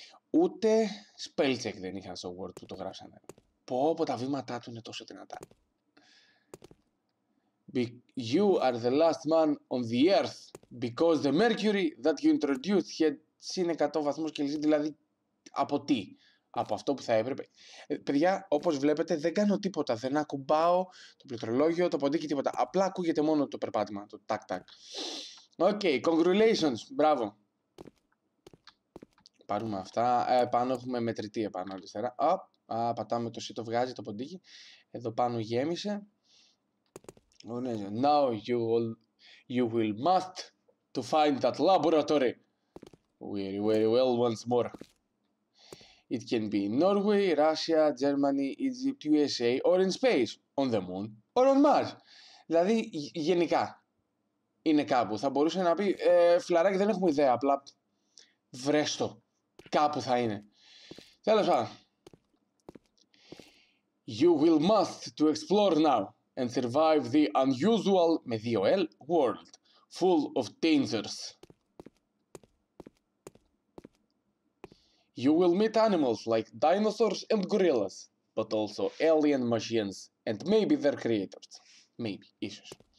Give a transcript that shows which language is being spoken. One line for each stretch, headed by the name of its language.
Greek: Ούτε spellcheck δεν είχαν στο Word που το γράψανε. Πω, πω, τα βήματά του είναι τόσο δυνατά.
English: You are the last man on the earth because the mercury that you introduced had seen 100
Greek: βαθμούς Κελσίου. Δηλαδή, από τι. Από αυτό που θα έπρεπε. Παιδιά, όπως βλέπετε, δεν κάνω τίποτα. Δεν ακουμπάω το πληκτρολόγιο, το ποντίκι, τίποτα. Απλά ακούγεται μόνο το περπάτημα, το τακ-τακ.
English: Okay, congratulations.
Greek: Μπράβο. Πάρουμε αυτά. Πάνω έχουμε μετρητή επάνω αριστερά. Πατάμε το C, το βγάζει το ποντίκι. Εδώ πάνω γέμισε.
English: Now you will must to find that laboratory. Very, very well once more. It can be in Norway, Russia, Germany, Egypt, USA, or in space, on the moon, or on Mars.
Greek: Δηλαδή, γενικά, είναι κάπου. Θα μπορούσε να πει, φιλαράκι, δεν έχουμε ιδέα, απλά βρέστο. Κάπου θα είναι. Τέλος πάντων.
English: You will must to explore now and survive the unusual,
Greek: με δύο L,
English: world, full of dangers. You will meet animals like dinosaurs and gorillas, but also alien machines, and maybe their creators. Maybe, ίσως.